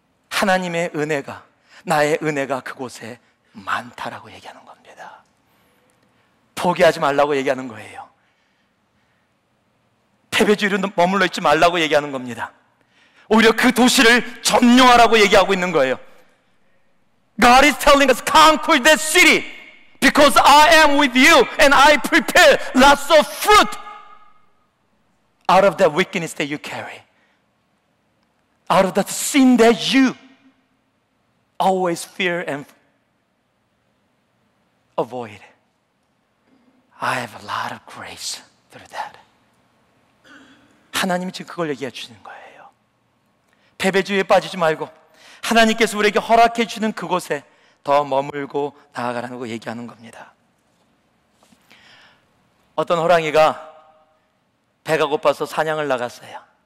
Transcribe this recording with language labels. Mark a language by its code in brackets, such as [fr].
[ko] 하나님의 은혜가, 나의 은혜가 그곳에 많다라고 얘기하는 겁니다. 포기하지 말라고 얘기하는 거예요. 패배주의로 머물러 있지 말라고 얘기하는 겁니다. 오히려 그 도시를 점령하라고 얘기하고 있는 거예요. [en] God is telling us, conquer that city because I am with you and I prepare lots of fruit out of that wickedness that you carry. Out of that sin that you always fear and avoid. I have a lot of grace through that. [ko] 하나님이 지금 그걸 얘기해 주시는 거예요. 패배주의에 빠지지 말고 하나님께서 우리에게 허락해 주는 그곳에 더 머물고 나아가라고 얘기하는 겁니다. 어떤 호랑이가 배가 고파서 사냥을 나갔어요.